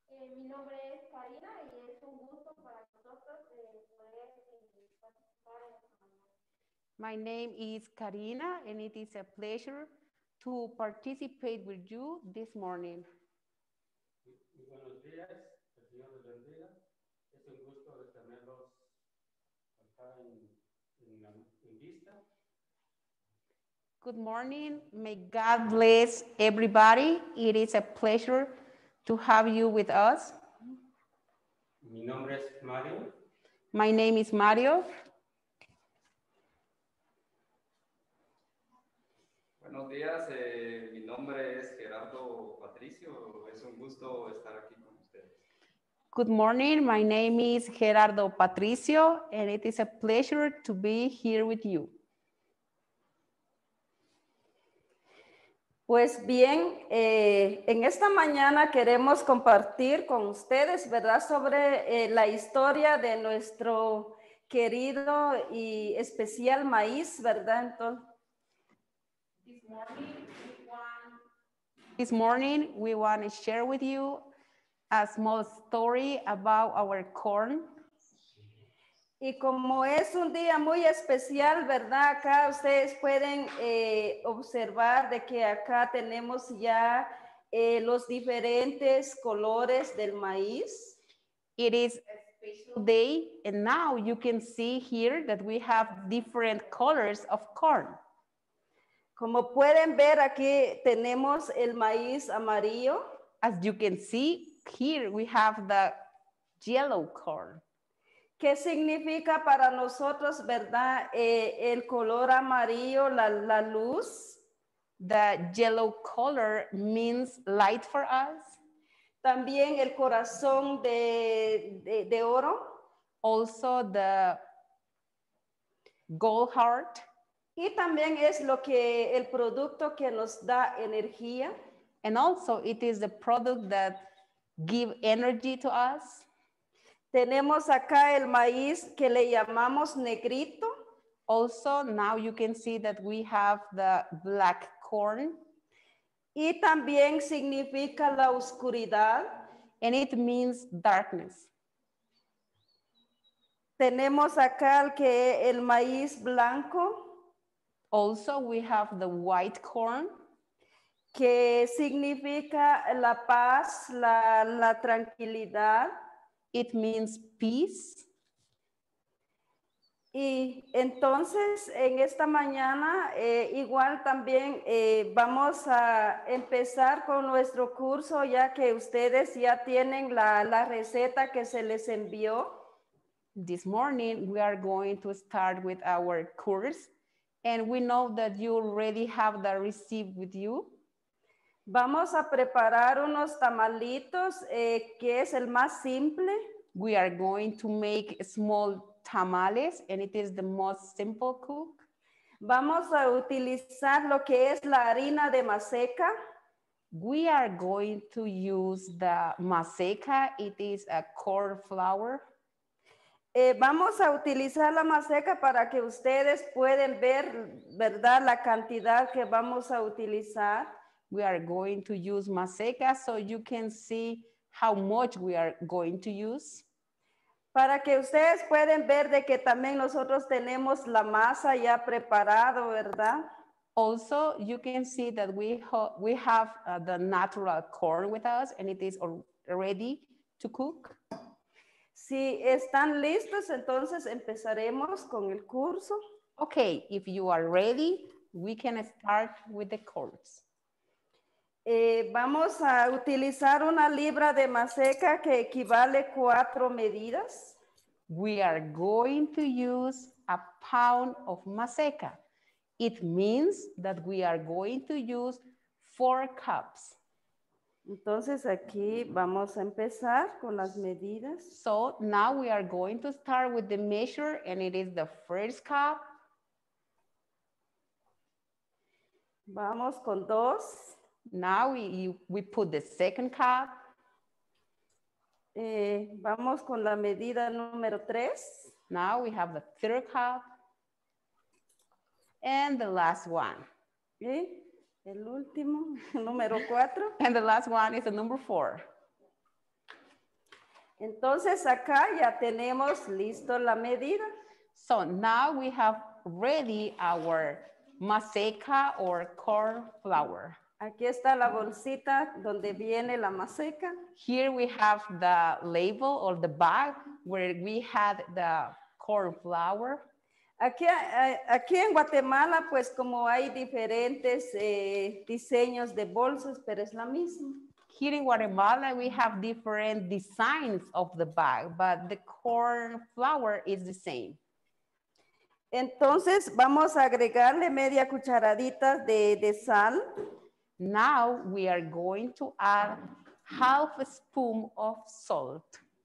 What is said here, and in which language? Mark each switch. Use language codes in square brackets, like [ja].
[es] Mi nombre es Karina y es un gusto para nosotros poder participar en esta mañana. [en] My name is Karina and it is a pleasure to participate with you this morning. [es] Buenos días, el Señor les bendiga. Es un gusto de tenerlos acá en vista. [en] Good morning. May God bless everybody. It is a pleasure to have you with us. [es] Mi nombre es Mario. [en] My name is Mario. [es] Buenos días, mi nombre es Gerardo Patricio. Es un gusto estar aquí con ustedes. [en] Good morning, my name is Gerardo Patricio, and it is a pleasure to be here with you. [es] Pues bien, en esta mañana queremos compartir con ustedes, ¿verdad?, sobre la historia de nuestro querido y especial maíz, ¿verdad? Entonces, [en] This morning, we want to share with you a small story about our corn. [es] Y como es un día muy especial, ¿verdad? Acá ustedes pueden observar de que acá tenemos ya los diferentes colores del maíz. [en] It is a special day, and now you can see here that we have different colors of corn. [es] Como pueden ver, aquí tenemos el maíz amarillo. [en] As you can see, here we have the yellow corn. [es] ¿Qué significa para nosotros, verdad, el color amarillo, la luz? [en] The yellow color means light for us. [es] También el corazón de oro. [en] Also the gold heart. [es] Y también es lo que el producto que nos da energía. [en] And also it is the product that give energy to us. [es] Tenemos acá el maíz que le llamamos negrito. [en] Also, now you can see that we have the black corn. [es] Y también significa la oscuridad. [en] And it means darkness. [es] Tenemos acá el que el maíz blanco. [en] Also, we have the white corn. [es] Que significa la paz, la tranquilidad. [en] It means peace. [es] Y entonces, en esta mañana, igual también vamos a empezar con nuestro curso, ya que ustedes ya tienen la receta que se les envió. [en] This morning, we are going to start with our course. And we know that you already have the receipt with you. [es] Vamos a preparar unos tamalitos, que es el más simple. [en] We are going to make small tamales, and it is the most simple cook. [es] Vamos a utilizar lo que es la harina de maseca. [en] We are going to use the maseca. It is a corn flour. [es] Vamos a utilizar la maseca para que ustedes puedan ver, ¿verdad?, la cantidad que vamos a utilizar. [en] We are going to use maseca so you can see how much we are going to use. [es] Para que ustedes puedan ver de que también nosotros tenemos la masa ya preparado, ¿verdad? [en] Also, you can see that we have the natural corn with us and it is already to cook. [es] Si están listos, entonces empezaremos con el curso. [en] Okay, if you are ready, we can start with the course. [es] Vamos a utilizar una libra de maseca que equivale a 4 medidas. [en] We are going to use a pound of maseca. It means that we are going to use 4 cups. [es] Entonces aquí vamos a empezar con las medidas. [en] So now we are going to start with the measure, and it is the first cup. [es] Vamos con 2. [en] Now we put the second cup. [es] Vamos con la medida número 3. [en] Now we have the 3rd cup. And the last one. [es] Okay. El último, número 4. [en] And the last one is the number 4. [es] Entonces acá ya tenemos listo la medida. [en] So now we have ready our maseca or corn flour. [es] Aquí está la bolsita donde viene la maseca. [en] Here we have the label or the bag where we had the corn flour. [es] Aquí en Guatemala, pues como hay diferentes diseños de bolsas, pero es la misma. [en] Here in Guatemala, we have different designs of the bag, but the corn flour is the same. [es] Entonces, vamos a agregarle media cucharadita de sal. [en] Now, we are going to add 1/2 spoon of salt.